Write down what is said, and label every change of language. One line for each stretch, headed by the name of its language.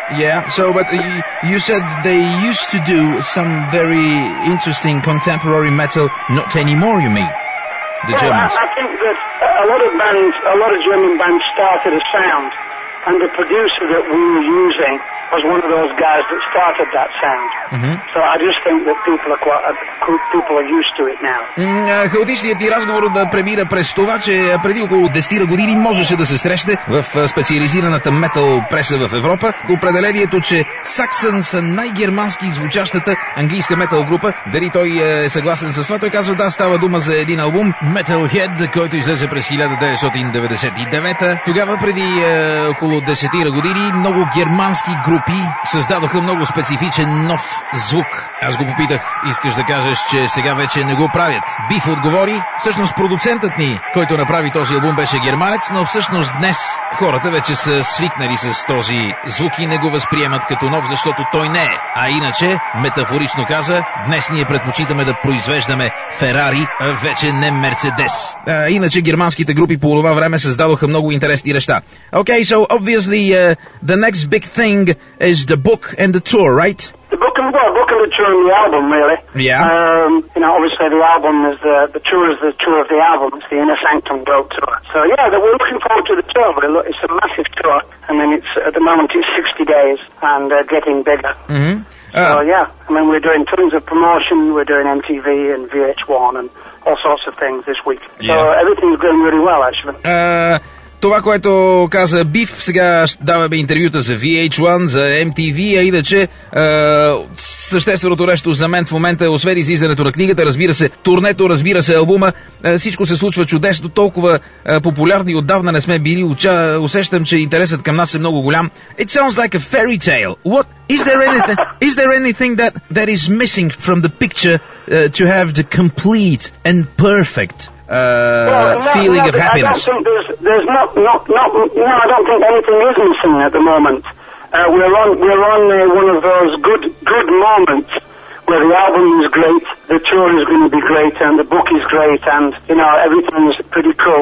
English: Yeah, so, but you said they used to do some very interesting contemporary metal, not anymore, you mean? Germans? I think that a lot of German bands started a sound, and the producer that we were using was one of those guys that started that sound. Mm-hmm. So I just think that people are used to it now.
Bulgarian: Хаотичният ти разговор да премира през това, че преди около 10 години можеше да се срещне в специализираната метал преса в Европа до определението, че Саксън са най-германски звучащата английска метал група. Дали той е съгласен с това? Той казва да, става дума за един албум Metalhead, който излезе през 1999. Тогава, преди около 10 години, много германски групи създадоха много специфичен нов звук. Аз го попитах, искаш да кажеш, че сега вече не го правят. Биф отговори, всъщност продуцентът ни, който направи този албум, беше германец, но всъщност днес хората вече са свикнали с този звук и не го възприемат като нов, защото той не е. А иначе, метафорично каза, днес ние предпочитаме да произвеждаме Ферари, а вече не Мерцедес. Иначе германските групи по това време създадоха много интересни неща.
English: Okay, so obviously the next big thing is the book and the tour, right? Tour and the album, really. Yeah. Obviously the album is the tour is the tour of the album. It's the Inner Sanctum World Tour. So yeah, we're looking forward to the tour. But look, it's a massive tour. I mean, it's at the moment it's 60 days and getting bigger. Mm-hmm. We're doing tons of promotion. We're doing MTV and VH1 and all sorts of things this week. Yeah. So everything's going really well, actually.
Bulgarian: Това, което каза Биф, сега даваме интервюта за VH1, за MTV, а иначе същественото нещо за мен в момента, освен излизането на книгата, разбира се, турнето, разбира се, албума, всичко се случва чудесно, толкова популярни отдавна не сме били, усещам, че интересът към нас е много голям.
English: It sounds like a fairy tale. What? Is there anything that is missing from the picture to have the complete and perfect feeling of happiness? I don't think anything is missing at the moment. We're on one of those good moments where the album is great, the tour is going to be great, and the book is great, and everything's pretty cool.